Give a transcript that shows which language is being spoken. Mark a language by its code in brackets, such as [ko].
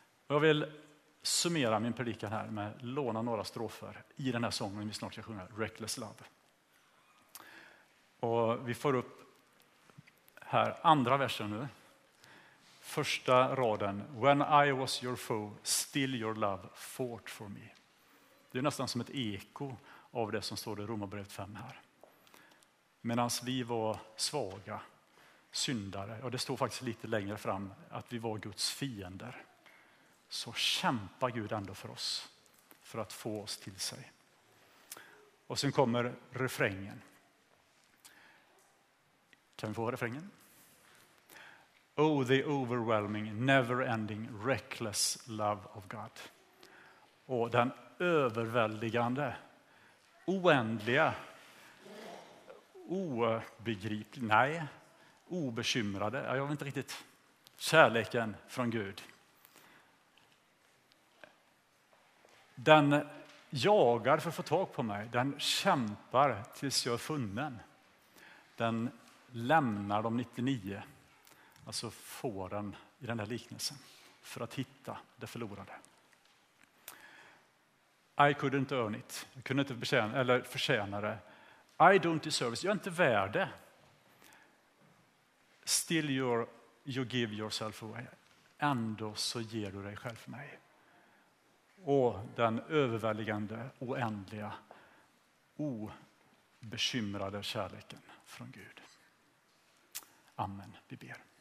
[sv] Jag vill summera min predikan här med att låna några strofer i den här sången vi snart ska sjunga, Reckless Love. Och vi får upp här andra versen nu. Första raden. [en] When I was your foe, still your love fought for me. [sv] Det är nästan som ett eko av det som står i Romarbrevet 5 här. Medan vi var svaga, syndare, och det står faktiskt lite längre fram att vi var Guds fiender, så kämpar Gud ändå för oss, för att få oss till sig. Och sen kommer refrängen. Kan vi få refrängen? [en] Oh, the overwhelming, never-ending, reckless love of God. [sv] Och den överväldigande, oändliga, obegriplig, nej, obekymrade, jag vet inte riktigt, kärleken från Gud. Den jagar för att få tag på mig. Den kämpar tills jag är funnen. Den lämnar de 99, alltså får den i den här liknelsen, för att hitta det förlorade. [en] I couldn't earn it. [sv] Jag kunde inte förtjäna, eller förtjäna det. [en] I don't deserve it. [sv] Jag är inte värd det. [en] Still you give yourself away. [sv] Ändå så ger du dig själv för mig. Och den överväldigande, oändliga, obekymrade kärleken från Gud. Amen. Vi ber.